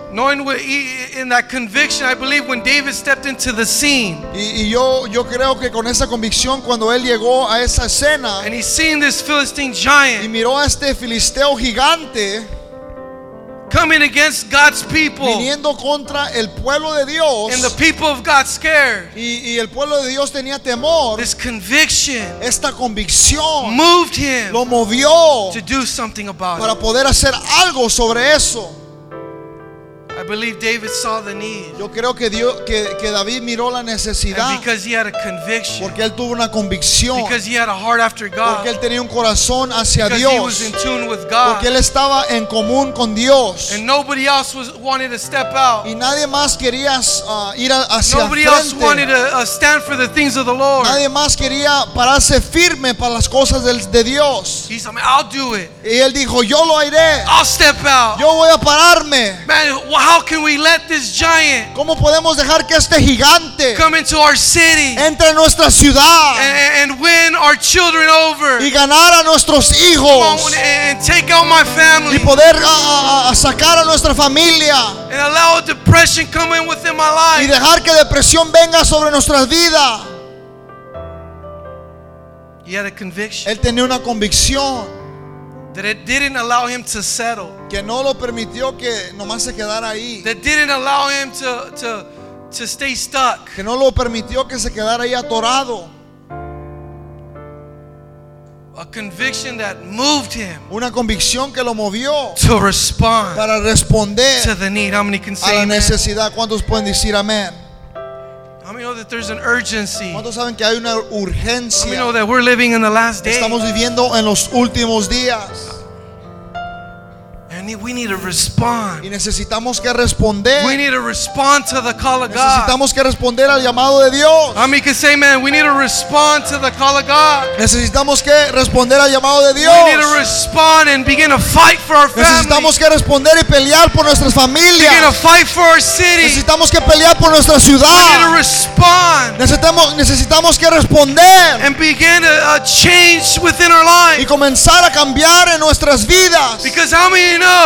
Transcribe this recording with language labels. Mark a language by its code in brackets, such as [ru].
[en] Knowing what he, in that conviction, I believe when David stepped into the scene. [es] Y yo creo que con esa convicción cuando él llegó a esa escena. [en] And he seen this Philistine giant. [es] Y miró a este filisteo gigante. [en] Coming against God's people. [es] Viniendo contra el pueblo de Dios. [en] And the people of God scared. [es] Y el pueblo de Dios tenía temor. [en] This conviction. [es] Esta convicción. [en] Moved him. [es] Lo movió. [en] To do something about [es] para Para poder hacer algo sobre eso. [en] I believe David saw the need. [es] Yo creo que David miró la necesidad. [en] And because he had a conviction. [es] Porque él tuvo una convicción. [en] Because he had a heart after God. [es] Porque él tenía un corazón hacia [en] because Because he was in tune with God. [es] Porque él estaba en común con Dios. [en] And nobody else wanted to step out. [es] Y nadie más quería ir hacia [en] nobody [es] frente. [en] Nobody else wanted to stand for the things of the Lord. [es] Nadie más quería pararse firme para las cosas de Dios. [en] He said, "I'll do it." [es] Y él dijo, "Yo lo haré." [en] I'll step out. [es] Yo voy a pararme. [en] Man, how can we let this giant? [es] ¿Cómo podemos dejar que este gigante [en] come into our city? [es] Entre a nuestra ciudad [en] and win our children over. [es] Y ganar a nuestros hijos. [en] And take out my family. [es] Y poder sacar a nuestra familia. [en] And allow depression come in within my life. [es] Y dejar que depresión venga sobre nuestras vidas. [en] He had a conviction. [es] Él tenía una convicción. [en] That it didn't allow him to settle. [es] Que no lo permitió que nomás se quedara ahí. [en] That didn't allow him to stay stuck. [es] Que no lo permitió que se quedara ahí atorado. [en] A conviction that moved him. [es] Una convicción que lo movió. [en] To respond. [es] Para responder. [en] To the need. How many can say [es] a la necesidad. ¿Cuántos pueden decir amén? [en] How many know that there's an urgency? [es] ¿Cuántos saben que hay una urgencia? [en] How many know that we're living in the last days? [es] Estamos viviendo en los últimos días. [en] And we need to respond. [es] Y necesitamos que responder. [en] We need to respond to the call of God. [es] Necesitamos que responder al llamado de Dios. [en] I mean, can say, man, we need to respond to the call of God. [es] Necesitamos que responder al llamado de Dios. [en] We need to respond and begin to fight for our family. [es] Necesitamos que responder y pelear por nuestras familias. [en] Begin to fight for our city. [es] Necesitamos que pelear por nuestra ciudad. [en] We need to respond. [es] Necesitamos que responder. [en] And begin to change within our lives. [es] Y comenzar a cambiar en nuestras vidas. [en] Because how many know?